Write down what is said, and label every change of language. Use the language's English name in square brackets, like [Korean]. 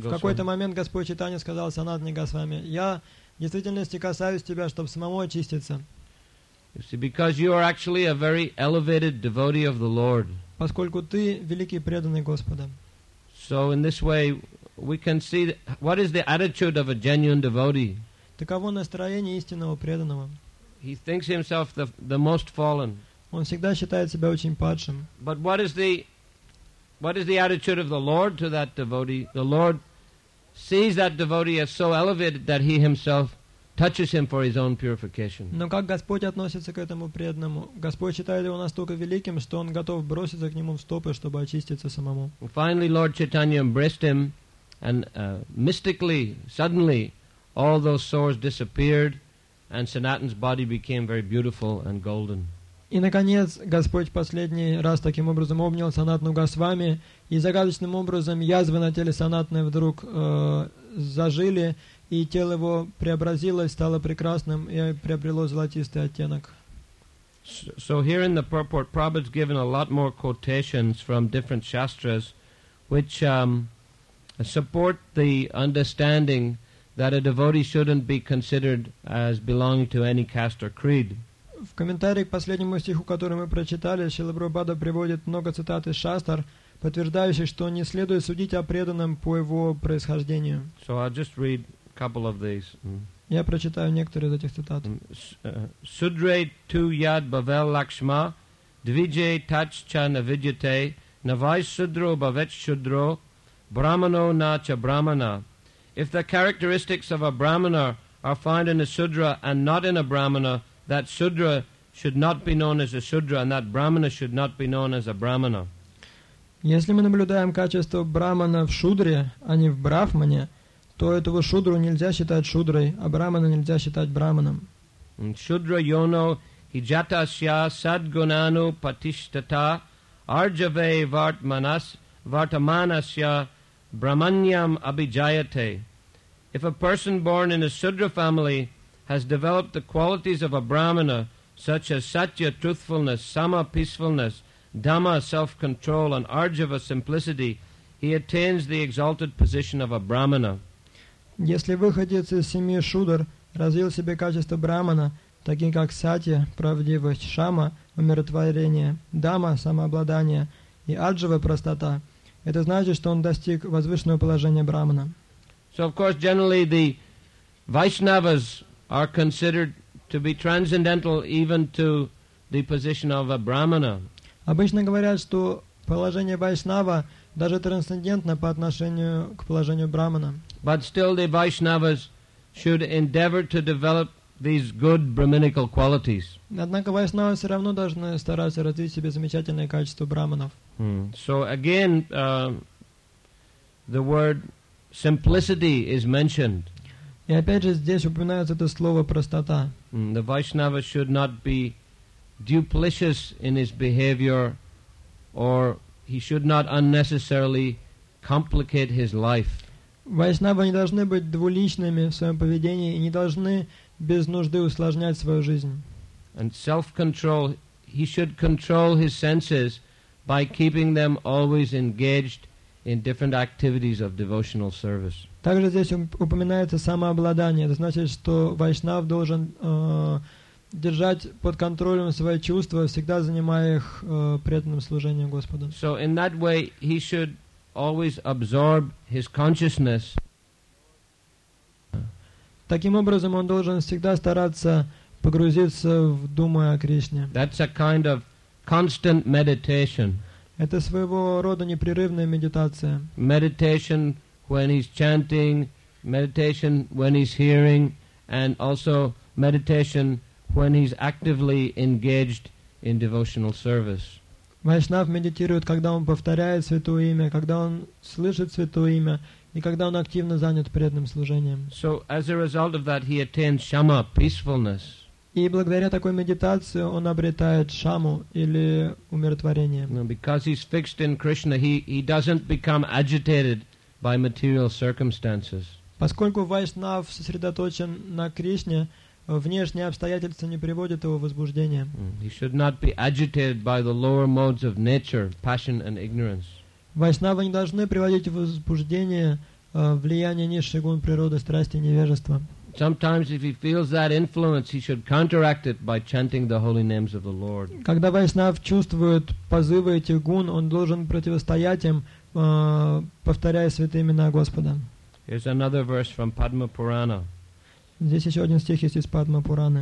[Russian] И в какой-то момент Господь Чайтанья сказал Санатане Госвами, я в действительности касаюсь тебя, чтобы самому очиститься. [English] You see, because you are actually a very elevated devotee of the Lord. [Russian] Поскольку ты великий преданный Господа. [English] So in this way, we can see that, what is the attitude of a genuine devotee. [Russian] Таково настроение истинного преданного. [English] He thinks himself the most fallen. [Russian] Он всегда считает себя очень падшим. [English] But what is the attitude of the Lord to that devotee? The Lord sees that devotee as so elevated that he himself touches him for his own purification. [Russian] Но как Господь относится к этому преданному? Господь считает его настолько великим, что он готов броситься к нему в стопы, чтобы очиститься самому. [English] Finally, Lord Chaitanya embraced him, and mystically, suddenly, all those sores disappeared, and Sanatan's body became very beautiful and golden. [Russian] И, наконец, Господь последний раз таким образом обнял Санатану Госвами, и загадочным образом язвы на теле Санатаны вдруг зажили, и тело его преобразилось, стало прекрасным и приобрело золотистый оттенок. [English] So here in the purport, Prabhupada's given a lot more quotations from different shastras, which support the understanding that a devotee shouldn't be considered as belonging to any caste or creed. [Russian] В комментарии к последнему стиху, который мы прочитали, Шрила Прабхупада приводит много цитат из шастр, подтверждающих, что не следует судить о преданном по его происхождению. [English] So I'll just read a couple of these. [Russian] Я прочитаю некоторые из этих цитат. [Sanskrit] Судре ту яд бавел лакшма, двиджи тач ча навиджите, навай судро бавеч судро, брамано на ча брамана. [English] If the characteristics of a brahmana are found in a sudra and not in a brahmana, that sudra should not be known as a sudra, and that brahmana should not be known as a brahmana. [Russian] Если мы наблюдаем качество брахмана в шудре, а не в брахмане, то этого шудру нельзя считать шудрой, а брахмана нельзя считать брахманом. [Sanskrit] Шудра йоно хиджатасья садгунану патиштата арджаве вартаманасья брахманьям абиджаяте. [English] If a person born in a sudra family has developed the qualities of a brahmana, such as satya, truthfulness, sama, peacefulness, dhamma, self-control, and arjava, simplicity, he attains the exalted position of a brahmana. [Russian] Если выходец из семьи шудр развил в себе качества брахмана, такие как сатья, правдивость, шама, умиротворение, дхамма, самообладание, и арджава, простота, это значит, что он достиг возвышенного положения брахмана. [English] So, of course, generally the Vaishnavas are considered to be transcendental even to the position of a brahmana. [Russian] Обычно говорят, что положение вайшнава даже трансцендентно по отношению к положению брахмана. [English] But still the Vaishnavas should endeavor to develop these good brahminical qualities. [Russian] Однако вайшнавы все равно должны стараться развить себе замечательные качества брахманов. [English] So again, the word simplicity is mentioned. [Russian] И опять же здесь упоминается это слово простота. [English] The Vaishnava should not be duplicitous in his behavior, or he should not unnecessarily complicate his life. [Russian] Вайшнавы не должны быть двуличными в своем поведении и не должны без нужды усложнять свою жизнь. [English] And self-control, he should control his senses by keeping them always engaged in different activities of devotional service. [Russian] Также здесь упоминается самообладание. Это значит, что вайшнав должен держать под контролем свои чувства, всегда занимая их преданным служением Господу. [English] So in that way he should always absorb his consciousness. [Russian] Таким образом, он должен всегда стараться погрузиться в думы о Кришне. [English] That's a kind of constant meditation. [Russian] Это своего рода непрерывная медитация. [English] Meditation when he's chanting, meditation when he's hearing, and also meditation when he's actively engaged in devotional service. [Russian] Вайшнав медитирует, когда он повторяет святое имя, когда он слышит святое имя, и когда он активно занят преданным служением. [English] So as a result of that, he attains shama, peacefulness. [Russian] И благодаря такой медитации он обретает шаму или умиротворение. [English] No, because he's fixed in Krishna, he doesn't become agitated by material circumstances. [Russian] Поскольку вайшнав сосредоточен на Кришне, внешние обстоятельства не приводят его в возбуждение. [English] He should not be agitated by the lower modes of nature, passion and ignorance. [Russian] Вайшнавы не должны приводить в возбуждение влияние низших гун природы, страсти и невежества. [English] Sometimes if he feels that influence, he should counteract it by chanting the holy names of the Lord. [Russian] Когда вайшнав чувствует позывы этих гун, он должен противостоять им, повторяя святые имена Господа. [English] Here's another verse from Padma Purana. [Russian] Здесь еще один стих есть из Падма Пураны.